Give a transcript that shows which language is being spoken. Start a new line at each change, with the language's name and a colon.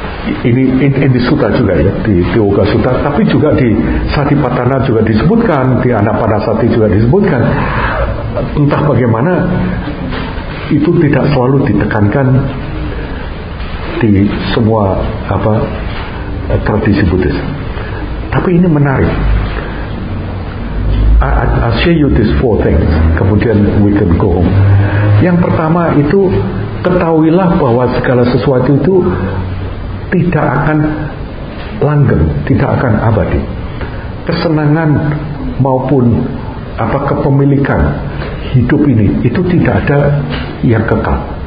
Indonesian: Ini di sutta juga ya, di Yoga Sutta, tapi juga di Satipatthana juga disebutkan, di Anapanasati juga disebutkan. Entah bagaimana itu tidak selalu ditekankan di semua apa, tradisi Buddhis. Tapi ini menarik.
English: I show you these four things, kemudian we can go home.
Indonesian: Yang pertama itu, ketahuilah bahwa segala sesuatu itu tidak akan langgeng, tidak akan abadi. Kesenangan maupun apa, kepemilikan hidup ini, itu tidak ada yang kekal.